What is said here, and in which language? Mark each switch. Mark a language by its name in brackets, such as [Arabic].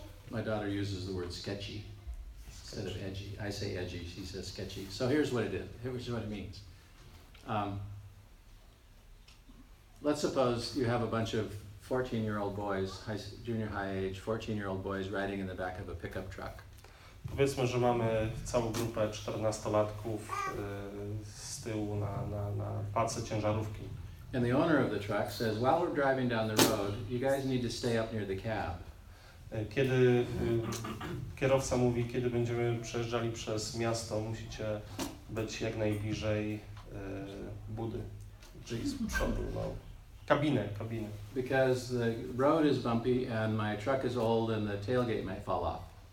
[English] My daughter uses the word sketchy. Instead of edgy. I say edgy, she says sketchy. So here's what it is. Here's what it means. Let's suppose you have a bunch of 14-year-old boys, junior high age, 14-year-old boys riding in the back of a pickup truck. [Polish] Powiedzmy, że mamy całą grupę 14-latków z tyłu na pace ciężarówki. [English] And the owner of the truck says, "While we're driving down the road, you guys need to stay up near the cab." [Polish] Kiedy kierowca mówi, kiedy będziemy przejeżdżali przez miasto, musicie być jak najbliżej budy, czyli z przodu, kabiny. [English] Because the road is bumpy and my truck is old and the tailgate might fall off.